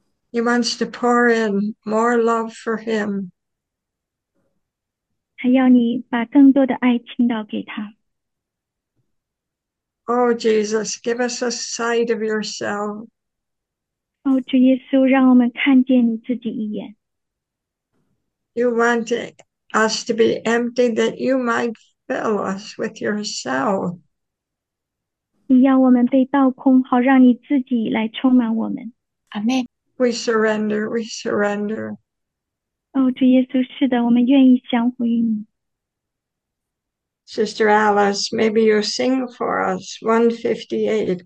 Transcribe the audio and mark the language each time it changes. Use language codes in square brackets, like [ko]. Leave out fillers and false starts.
[en] He wants to pour in more love for him. [zh] 还要你把更多的爱倾倒给他。 [en] Oh, Jesus, give us a sight of yourself. [zh] 哦，主耶稣，让我们看见你自己一眼。 [en] You want us to be empty that you might fill us with yourself. [zh] 你要我们被倒空，好让你自己来充满我们。 [en] Amen. We surrender, we surrender. [zh] 哦，主耶稣，是的，我们愿意降服于你。 [en] Sister Alice, maybe you sing for us 158.